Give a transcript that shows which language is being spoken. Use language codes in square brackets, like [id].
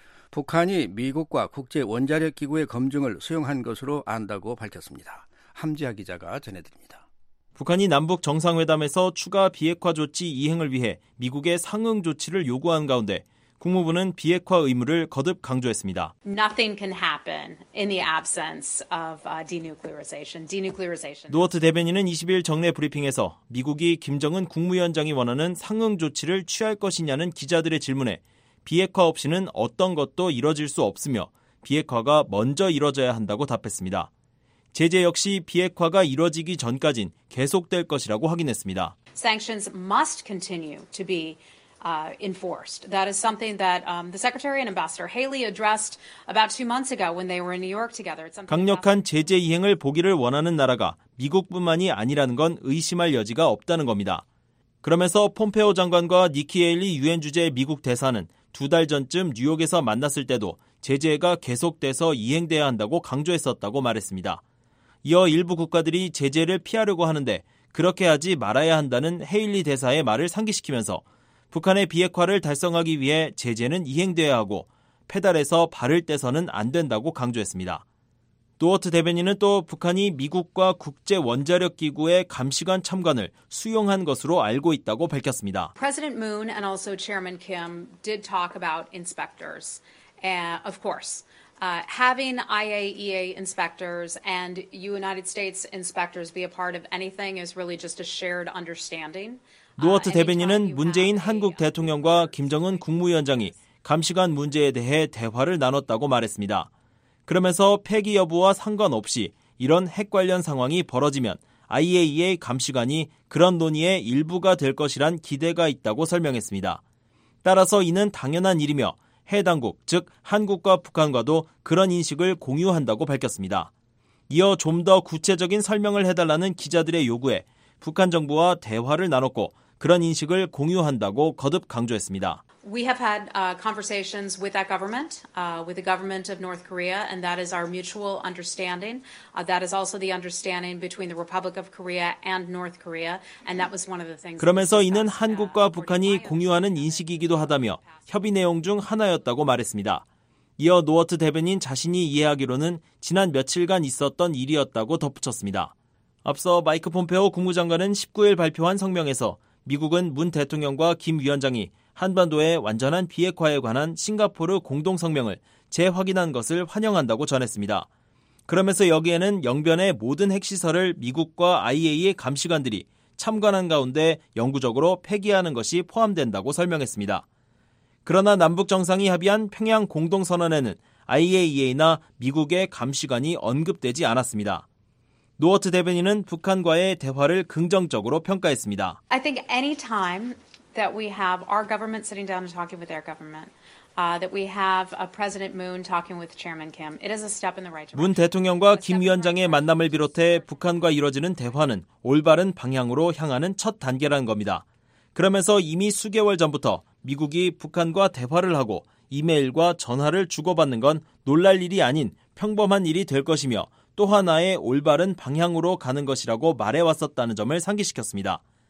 [ko] 북한이 미국과 국제원자력기구의 검증을 수용한 것으로 안다고 밝혔습니다. 함지아 기자가 전해드립니다. 북한이 남북정상회담에서 추가 비핵화 조치 이행을 위해 미국의 상응 조치를 요구한 가운데 국무부는 비핵화 의무를 거듭 강조했습니다. [en] Nothing can happen in the absence of denuclearization. [ko] 노어트 대변인은 20일 정례 브리핑에서 미국이 김정은 국무위원장이 원하는 상응 조치를 취할 것이냐는 기자들의 질문에 비핵화 없이는 어떤 것도 이뤄질 수 없으며 비핵화가 먼저 이뤄져야 한다고 답했습니다. 제재 역시 비핵화가 이뤄지기 전까진 계속될 것이라고 확인했습니다. [en] Sanctions must continue to be enforced. That is something that the Secretary and Ambassador Haley addressed about 2 months ago when they were in New York together. [ko] 강력한 제재 이행을 보기를 원하는 나라가 미국뿐만이 아니라는 건 의심할 여지가 없다는 겁니다. 그러면서 폼페오 장관과 니키 헤일리 유엔 주재 미국 대사는 두 달 전쯤 뉴욕에서 만났을 때도 제재가 계속돼서 이행돼야 한다고 강조했었다고 말했습니다. 이어 일부 국가들이 제재를 피하려고 하는데 그렇게 하지 말아야 한다는 헤일리 대사의 말을 상기시키면서 북한의 비핵화를 달성하기 위해 제재는 이행돼야 하고 페달에서 발을 떼서는 안 된다고 강조했습니다. 노어트 대변인은 또 북한이 미국과 국제원자력기구의 감시관 참관을 수용한 것으로 알고 있다고 밝혔습니다. [en] President Moon and also Chairman Kim did talk about inspectors. Of course, having IAEA inspectors and United States inspectors be a part of anything is really just a shared understanding. [ko] 노어트 대변인은 문재인 한국 대통령과 김정은 국무위원장이 감시관 문제에 대해 대화를 나눴다고 말했습니다. 그러면서 폐기 여부와 상관없이 이런 핵 관련 상황이 벌어지면 IAEA 감시관이 그런 논의의 일부가 될 것이란 기대가 있다고 설명했습니다. 따라서 이는 당연한 일이며 해당국, 즉 한국과 북한과도 그런 인식을 공유한다고 밝혔습니다. 이어 좀 더 구체적인 설명을 해달라는 기자들의 요구에 북한 정부와 대화를 나눴고 그런 인식을 공유한다고 거듭 강조했습니다. [en] We have had conversations with that government, with the government of North Korea, and that is our mutual understanding. That is also the understanding between the Republic of Korea and North Korea, and that was one of the things. [ko] 그러면서 이는 한국과 북한이 공유하는 인식이기도 하다며 협의 내용 중 하나였다고 말했습니다. 이어 노어트 대변인 자신이 이해하기로는 지난 며칠간 있었던 일이었다고 덧붙였습니다. 앞서 마이크 폼페오 국무장관은 19일 발표한 성명에서 미국은 문 대통령과 김 위원장이 한반도의 완전한 비핵화에 관한 싱가포르 공동 성명을 재확인한 것을 환영한다고 전했습니다. 그러면서 여기에는 영변의 모든 핵시설을 미국과 IAEA 감시관들이 참관한 가운데 영구적으로 폐기하는 것이 포함된다고 설명했습니다. 그러나 남북정상이 합의한 평양 공동선언에는 IAEA나 미국의 감시관이 언급되지 않았습니다. 노어트 대변인은 북한과의 대화를 긍정적으로 평가했습니다. [en] I think any time that we have our government sitting down and talking with their government, that we have a President Moon talking with Chairman Kim, it is a step in the right direction. [ko] 문 대통령과 김 위원장의 만남을 비롯해 북한과 이뤄지는 대화는 올바른 방향으로 향하는 첫 단계라는 겁니다. 그러면서 이미 수개월 전부터 미국이 북한과 대화를 하고 이메일과 전화를 주고받는 건 놀랄 일이 아닌 평범한 일이 될 것이며 또 하나의 올바른 방향으로 가는 것이라고 말해왔었다는 점을 상기시켰습니다.